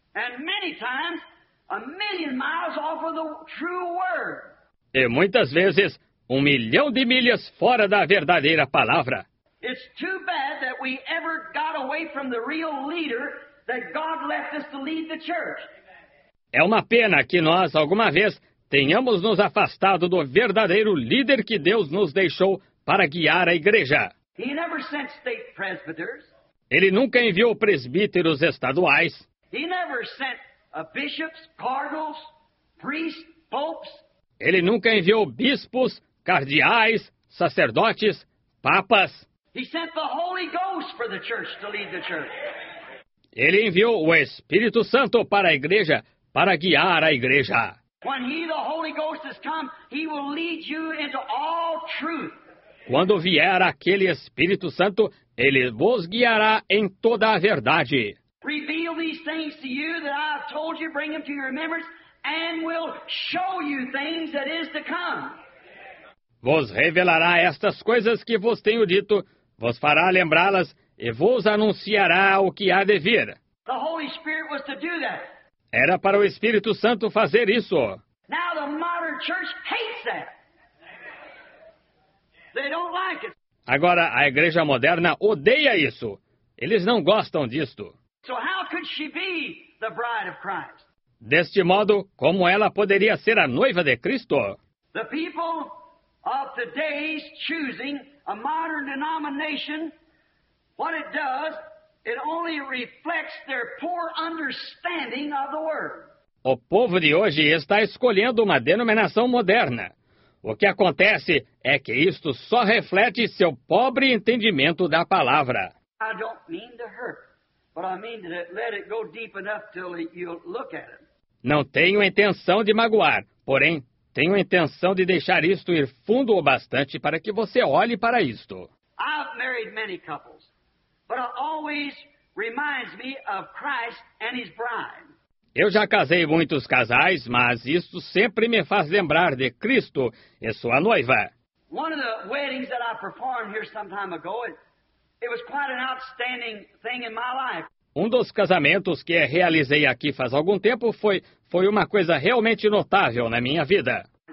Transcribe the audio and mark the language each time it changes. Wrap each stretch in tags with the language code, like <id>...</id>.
<en>And many times, a million miles off of the true word.</en> <pt>E muitas vezes, 1 milhão de milhas fora da verdadeira palavra.</pt> <en>It's too bad that we ever got away from the real leader that God left us to lead the church.</en> <pt>É uma pena que nós, alguma vez, tenhamos nos afastado do verdadeiro líder que Deus nos deixou para guiar a igreja.</pt> <en>He never sent state presbyters.</en> <pt>Ele nunca enviou presbíteros estaduais.</pt> <en>He never sent bishops, cardinals, priests, popes.</en> <pt>Ele nunca enviou bispos, cardeais, sacerdotes, papas.</pt> <en>He sent the Holy Ghost for the church to lead the church.</en> <pt>Ele enviou o Espírito Santo para a igreja, para guiar a igreja.</pt> <en>When he, the Holy Ghost, has come, he will lead you into all truth.</en> <pt>Quando vier aquele Espírito Santo, ele vos guiará em toda a verdade.</pt> <en>Reveal these things to you that I have told you, bring them to your remembrance, and will show you things that is to come.</en> <pt>Vos revelará estas coisas que vos tenho dito, vos fará lembrá-las e vos anunciará o que há de vir.</pt> <en>The Holy Spirit was to do that.</en> <pt>Era para o Espírito Santo fazer isso.</pt> <en>Now the modern church hates that. They don't like it.</en> <pt>Agora a igreja moderna odeia isso. Eles não gostam disto.</pt> <en>So how could she be the bride of Christ?</en> <pt>Deste modo, como ela poderia ser a noiva de Cristo?</pt> <en>The people of today's choosing a modern denomination, what it does, it only reflects their poor understanding of the word.</en> <pt>O povo de hoje está escolhendo uma denominação moderna. O que acontece é que isto só reflete seu pobre entendimento da palavra.</pt> <en>I don't mean to hurt, but I mean to let it go deep enough till you look at it.</en> <pt>Não tenho intenção de magoar, porém, tenho intenção de deixar isto ir fundo o bastante para que você olhe para isto.</pt> <en>I've married many couples, but it always reminds me of Christ and his bride.</en> <pt>Eu já casei muitos casais, mas isto sempre me faz lembrar de Cristo e sua noiva.</pt> <en>One of the weddings that I performed here some time ago, it was quite an outstanding thing in my life.</en> <pt>Um dos casamentos que realizei aqui faz algum tempo foi uma coisa realmente notável na minha vida.</pt>